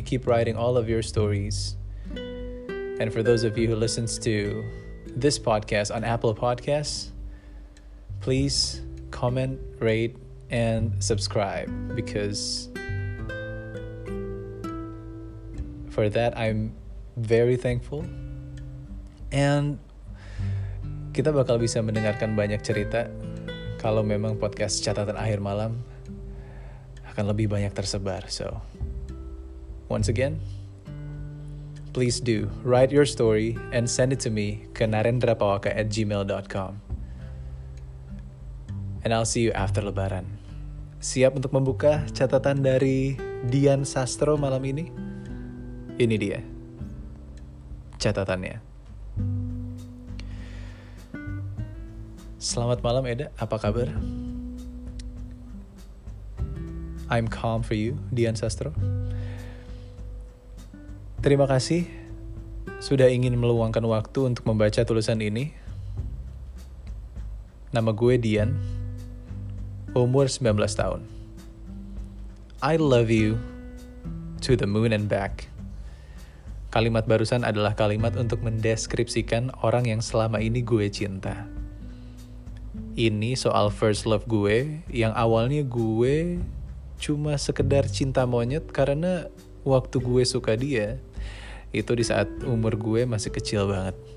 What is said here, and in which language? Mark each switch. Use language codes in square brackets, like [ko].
[en] Keep writing all of your stories. And for those of you who listen to this podcast on Apple Podcasts, please comment, rate, and subscribe, because for that I'm very thankful. [id] And kita bakal bisa mendengarkan banyak cerita kalau memang podcast Catatan Akhir Malam akan lebih banyak tersebar. [en] So once again, please do write your story and send it to me ke narendrapawaka@gmail.com. And I'll see you after Lebaran. [id] Siap untuk membuka catatan dari Dian Sastro malam ini? Ini dia catatannya. Selamat malam Eda, apa kabar? [en] I'm calm for you, Dian Sastro. [id] Terima kasih sudah ingin meluangkan waktu untuk membaca tulisan ini. Nama gue Dian, umur 19 tahun. [en] I love you to the moon and back. [id] Kalimat barusan adalah kalimat untuk mendeskripsikan orang yang selama ini gue cinta. Ini soal first love gue, yang awalnya gue cuma sekedar cinta monyet karena waktu gue suka dia, itu di saat umur gue masih kecil banget.